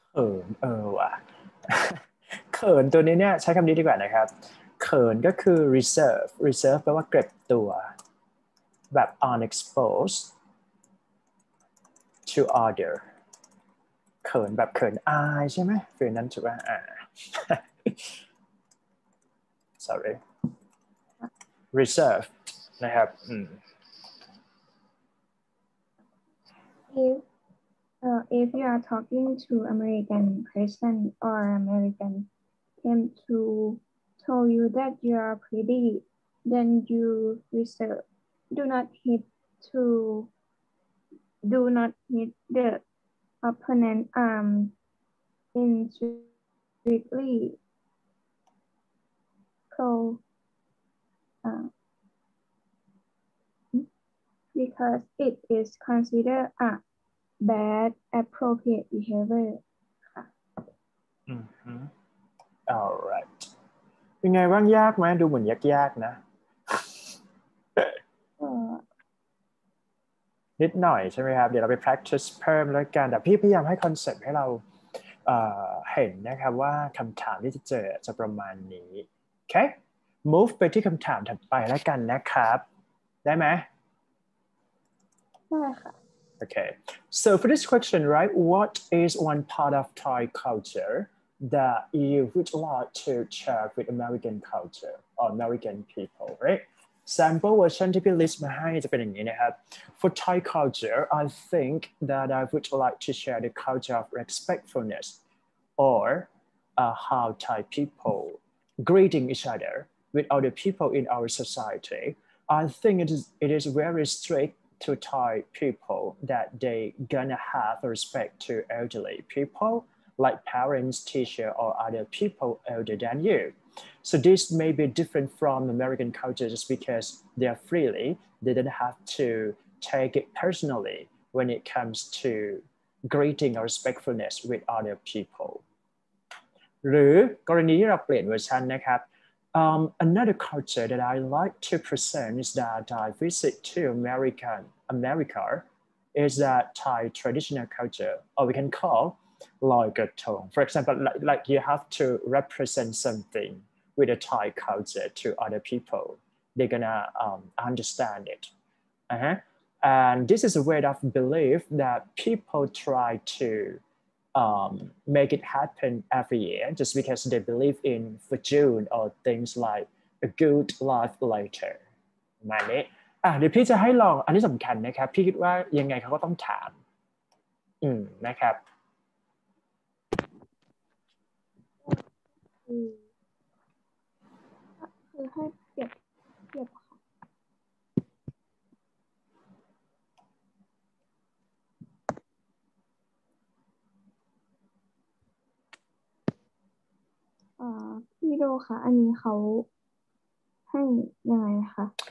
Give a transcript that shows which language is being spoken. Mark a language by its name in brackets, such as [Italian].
[Thai] เขินว่ะเขินตัวนี้เนี่ยใช้คำนี้ดีกว่านะครับเขินก็คือ reserve แปลว่าเก็บตัวแบบ [English] unexposed to other [Thai] เขินแบบเขินอายใช่ไหมฟีลนั้นถูกไหม sorry reserve นะครับ [English] If you are talking to American person or American came to tell you that you are pretty, then you reserve. Do not hit the opponent arm indirectly. Because it is considered a bad appropriate behavior ค่ะ [Thai] อือฮึ all right เป็นไงบ้างยากไหมดูเหมือนยากๆนะนิดหน่อยใช่ไหมครับเดี๋ยวเราไป practice เพิ่มแล้วกันแต่พี่พยายามให้คอนเซ็ปต์ให้เราเห็นนะครับว่าคำถามที่จะเจอจะประมาณนี้โอเค move ไปที่คำถามถัดไปแล้วกันนะครับได้ไหม ได้ค่ะ [English] Okay, so for this question, right, what is one part of Thai culture that you would like to share with American culture or American people, right? Sample version to be listed behind is a bit in here. For Thai culture, I think that I would like to share the culture of respectfulness or how Thai people greeting each other with other people in our society. I think it is very strict to Thai people that they gonna have respect to elderly people, like parents, teacher, or other people older than you. So this may be different from American culture just because they're freely, they don't have to take it personally when it comes to greeting or respectfulness with other people. [Thai] หรือกรณีที่เราเปลี่ยนเวอร์ชันนะครับ [English] another culture that I like to present is that I visit to America is that Thai traditional culture, or we can call Lai Gat Tong. For example, like you have to represent something with a Thai culture to other people. They're gonna understand it. Uh-huh. And this is a way of belief that people try to make it happen every year just because they believe in fortune or things like a good life later. [Thai] มานี้เดี๋ยวพี่จะให้ลองอันนี้สำคัญนะครับพี่คิดว่ายังไงเขาก็ต้องถามนะครับ คือให้เก็บค่ะพี่โดค่ะอันนี้เขาให้ยังไงคะ